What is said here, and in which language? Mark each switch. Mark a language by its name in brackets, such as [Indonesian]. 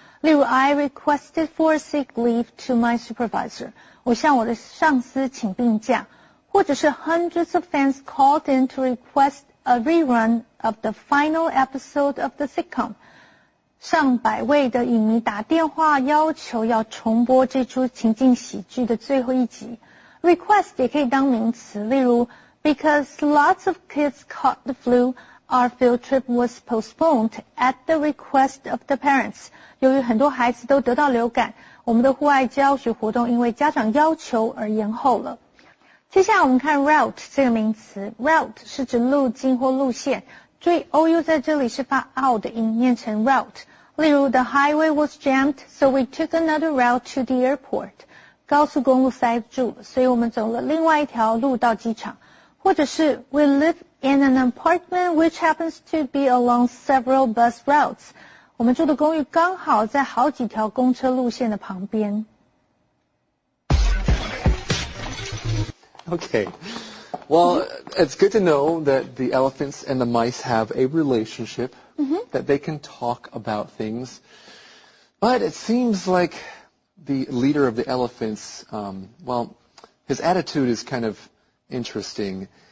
[English] 例如 I requested for sick leave to my supervisor， [Chinese] 我向我的上司请病假，或者是 [English] hundreds of fans called in to request a rerun of the final episode of the sitcom， [Chinese] 上百位的影迷打电话要求要重播这出情景喜剧的最后一集。 [English] Request [Chinese] 也可以当名词，例如 [English] Because lots of kids caught the flu, our field trip was postponed at the request of the parents. [Chinese] 由于很多孩子都得到流感，我们的户外教学活动因为家长要求而延后了。接下来我们看 route 这个名词， route 是指路径或路线，注意 OU 在这里是发 out 的音，念成 route。 [English] 例如 The highway was jammed, so we took another route to the airport. [Chinese] 高速公路塞住了，所以我们走了另外一条路到机场。或者是 [English] We live in an apartment which happens to be along several bus routes. [Chinese] 我们住的公寓刚好在好几条公车路线的旁边。 [English] Okay. Well, it's good to know that the elephants and the mice have a relationship,、mm-hmm. that they can talk about things. But it seems like... The leader of the elephants, his attitude is kind of interesting.